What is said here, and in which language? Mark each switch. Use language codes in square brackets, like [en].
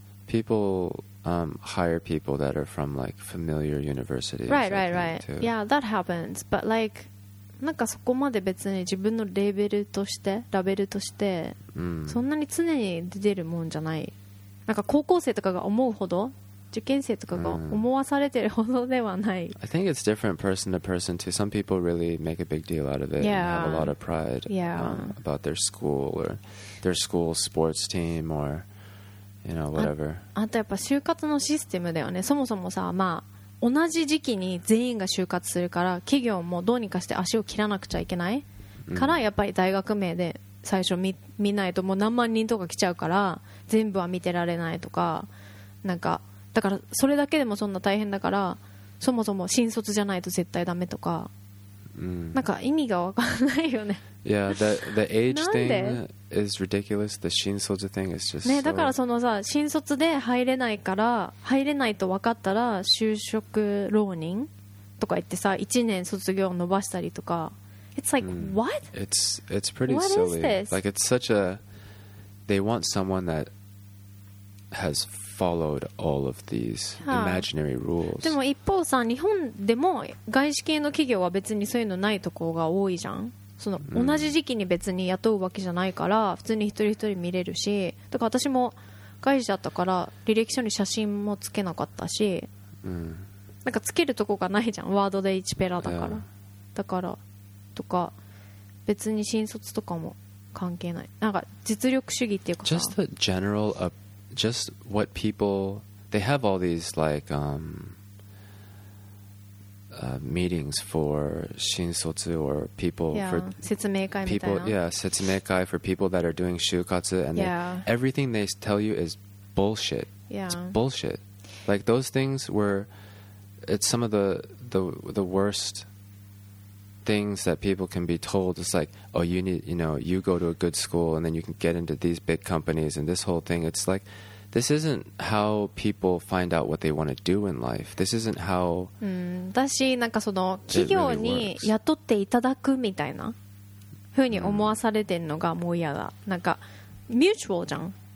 [en] Hire people that are from like familiar universities. Right, right, right. Yeah, that happens. But like, [ja] なんかそこまで別に自分のレベルとしてラベルとしてそんなに常に出てるもんじゃない。なんか高校生とかが思うほど、受験生とかが思わされてるほどではない。 [en] I think it's different person to person too. Some people really make a big deal out of it and have a lot of pride about their school or their school sports team or. You know, whatever. [ja] あとやっぱ就活のシステムだよね。そもそもさ、まあ同じ時期に全員が就活するから、企業もどうにかして足を切らなくちゃいけないから、やっぱり大学名で最初 見ないともう何万人とか来ちゃうから全部は見てられないとか、なんかだからそれだけでもそんな大変だから、そもそも新卒じゃないと絶対ダメとか、なんか意味が分かんないよね。 [en] Yeah, the age thing is ridiculous. The 新卒 thing is just [ja] ね、だからそのさ、新卒で入れないから、入れないと分かったら就職浪人とか言ってさ、1年卒業伸ばしたりとか。 [en] It's like, what? It's pretty what silly. What is this? Like, it's such a... They want someone that has followed all of these imaginary rules. [ja] でも一方さ、日本でも外資系の企業は別にそういうのないとこが多いじゃん。その同じ時期に別に雇うわけじゃないから普通に一人一人見れるし、だから私も会社だったから履歴書に写真もつけなかったし、なんかつけるとこがないじゃん、ワードで1ペラだから、だからとか別に新卒とかも関係ない、なんか実力主義っていうか、 [en] just the general just what people they have all these like meetings for 新卒 or people yeah, for [ja] 説明会みたいな? [en] People yeah 説明会 for people that are doing 就活 and yeah. everything they tell you is bullshit. Yeah. It's bullshit. Like those things were it's some of the worst things that people can be told. It's like, oh, you need, you know, you go to a good school and then you can get into these big companies and this whole thing. It's like, this isn't how people find out what they want to do in life. This isn't how [ja] だし、なんかその企業に雇っていただくみたいな風に思わされてんのがもう嫌だ。なんかミューチュアルじゃん。